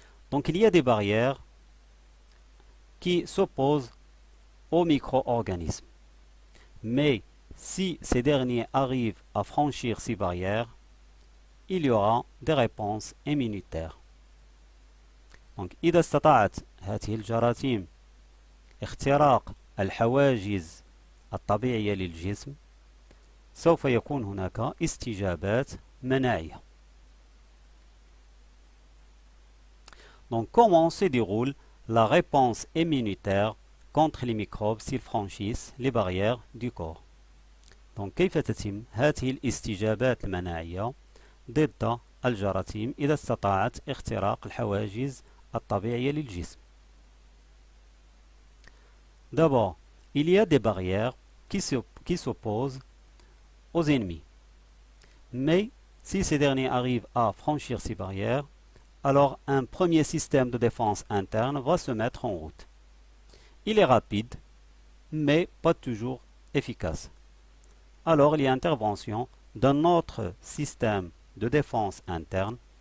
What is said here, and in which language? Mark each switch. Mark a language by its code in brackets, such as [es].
[fr] Donc, il y a des barrières qui s'opposent aux micro-organismes. Mais si ces derniers arrivent à franchir ces barrières, il y aura des réponses immunitaires. [ar] Donc, إذا استطاعت هذه الجراثيم اختراق الحواجز الطبيعية للجسم, سوف يكون هناك استجابات مناعية. [fr] Donc, comment se déroule la réponse immunitaire contre les microbes s'ils franchissent les barrières du corps? [ar] Donc, كيف تتم هذه الاستجابات المناعية ضد الجراثيم إذا استطاعت اختراق الحواجز الطبيعية للجسم؟ [fr] D'abord, il y a des barrières qui s'opposent aux ennemis. Mais si ces derniers arrivent à franchir ces barrières, alors un premier système de défense interne va se mettre en route. Il est rapide, mais pas toujours efficace. Alors, il y a intervention d'un autre système de défense interne.